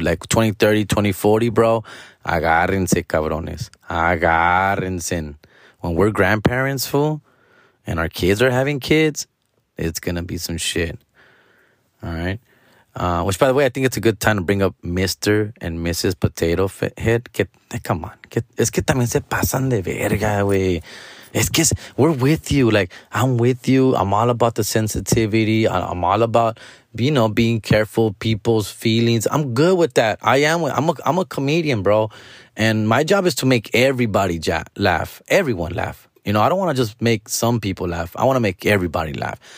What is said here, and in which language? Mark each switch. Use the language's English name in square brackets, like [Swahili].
[English] Like 2030, 2040, bro. [Spanish] Agárrense, cabrones. Agárrense. [English] When we're grandparents, fool. And our kids are having kids, it's going to be some shit. All right. Which, by the way, I think it's a good time to bring up Mr. and Mrs. Potato Head. Come on. [Spanish] Es que también se pasan de verga, güey. Es que [English] we're with you. Like, I'm with you. I'm all about the sensitivity. I'm all about, you know, being careful, people's feelings. I'm good with that. I'm a comedian, bro. And my job is to make everybody laugh. Everyone laugh. You know, I don't want to just make some people laugh. I want to make everybody laugh.